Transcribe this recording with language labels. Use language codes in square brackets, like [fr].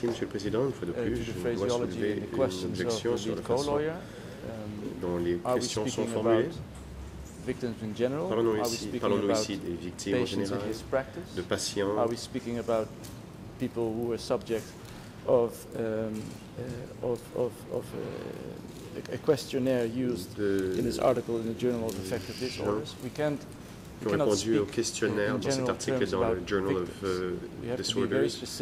[en] to the phraseology in the questions of the lead co-lawyer. Are we speaking about victims in general? [fr] Parlons-nous ici des victimes en général, de patients? [en] Are we speaking about people who are subject of a questionnaire used in this article in the Journal of Affective Disorders? We can't. [fr] Qui ont répondu au questionnaire dans cet article dans le Journal of Disorders.